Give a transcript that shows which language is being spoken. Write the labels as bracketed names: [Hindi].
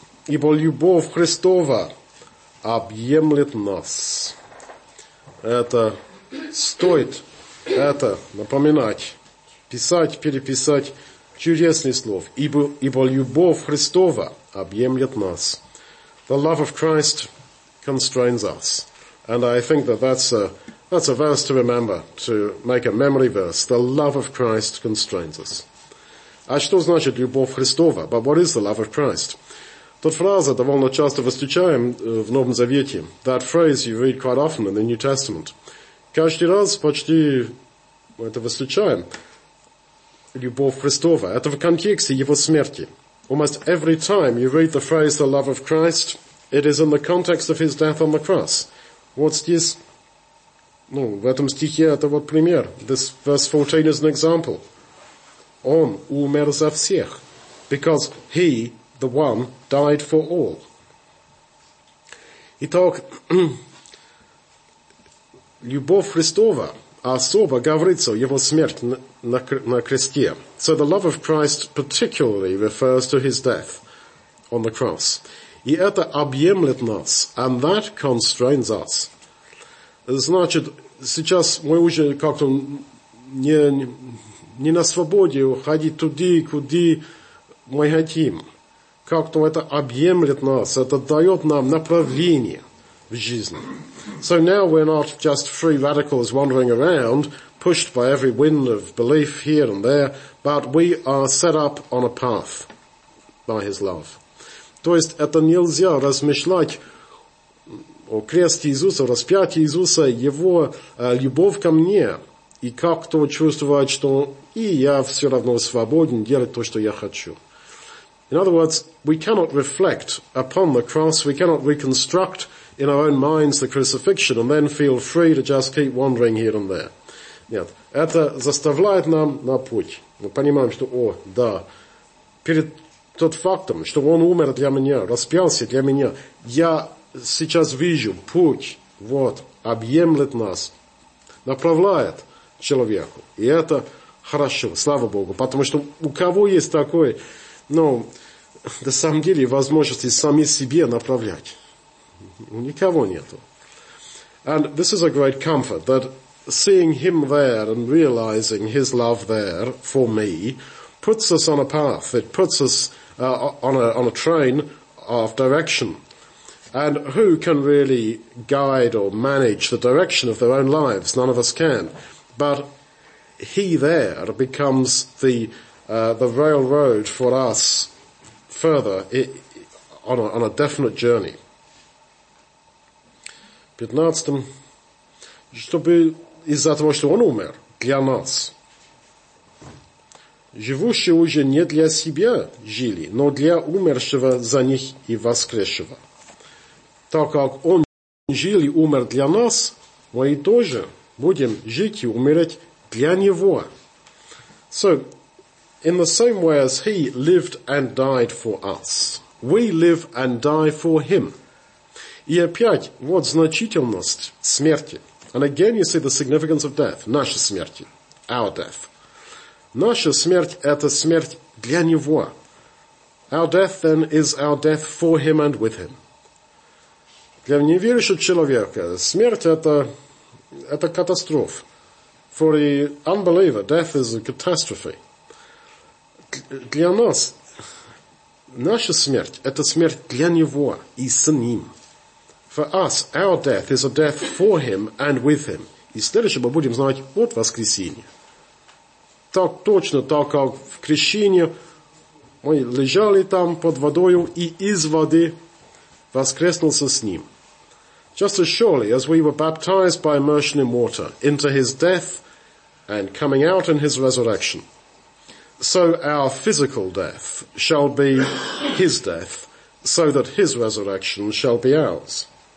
[Russian] Ибо любовь Христова объемлет нас. Это стоит это напоминать, писать, переписать. Чудесный слов. Ибо любовь Христова объемлет нас. [English] The love of Christ constrains us. And I think that that's a verse to remember, to make a memory verse. The love of Christ constrains us. [Russian] А что значит любовь Христова? [English] But what is the love of Christ? [Russian] Тот фраза довольно часто встречаем в Новом Завете. [English] That phrase you read quite often in the New Testament. [Russian] Каждый раз почти мы это встречаем. Любовь Христова. Это в контексте его смерти. [English] Almost every time you read the phrase the love of Christ, it is in the context of his death on the cross. [Russian] Вот здесь, в этом стихе это вот пример. [English] This verse 14 is an example. [Russian] Он умер за всех. [English] Because he, the one, died for all. [Russian] Итак, любовь Христова особо говорится о его смерти на кресте. [English] So the love of Christ particularly refers to his death on the cross. [Russian] И это объемлет нас, [English] and that constrains us. [Russian] Значит, сейчас мы уже как-то не на свободе уходить туда, куда мы хотим. Как-то это объемлет нас, это дает нам направление в жизни. [English] So now we're not just free radicals wandering around, pushed by every wind of belief here and there, but we are set up on a path by his love. [Russian] То есть это нельзя размышлять о кресте Иисуса, о распятии Иисуса, его любовь ко мне, и как-то чувствовать, что и я все равно свободен делать то, что я хочу. [English] In other words, we cannot reflect upon the cross, we cannot reconstruct in our own minds the crucifixion and then feel free to just keep wandering here and there. [Russian] Нет, это заставляет нам на путь. Мы понимаем, что, перед тот фактом, что он умер для меня, распялся для меня, я сейчас вижу путь, объемлет нас, направляет человеку. И это хорошо, слава Богу, потому что у кого есть такой, на самом деле, возможности сами себе направлять? Никого нету. [English] And this is a great comfort that seeing him there and realizing his love there for me puts us on a path. It puts us on a train of direction. And who can really guide or manage the direction of their own lives? None of us can. But he there becomes the railroad for us further on a definite journey. [Russian] 15, чтобы из-за того, что он умер для нас, живущие уже не для себя жили, но для умершего за них и воскресшего. Так как он жил и умер для нас, мы тоже будем жить и умереть для него. [English] So, in the same way as he lived and died for us, we live and die for him. [Russian] И опять, вот значительность смерти. [English] And again you see the significance of death, [Russian] наша смерть, [English] our death. [Russian] Наша смерть – это смерть для него. [English] Our death, then, is our death for him and with him. [Russian] Для неверующего человека смерть – это катастрофа. [English] For the unbeliever, death is a catastrophe. [Russian] Для нас наша смерть – это смерть для него и с ним. [English] For us, our death is a death for him and with him. [Russian] И следующее мы будем знать от воскресения. Так точно, так как в крещении мы лежали там под водою и из воды воскреснулся с ним. [English] Just as surely as we were baptized by immersion in water into his death and coming out in his resurrection, so our physical death shall be his death, so that his resurrection shall be ours.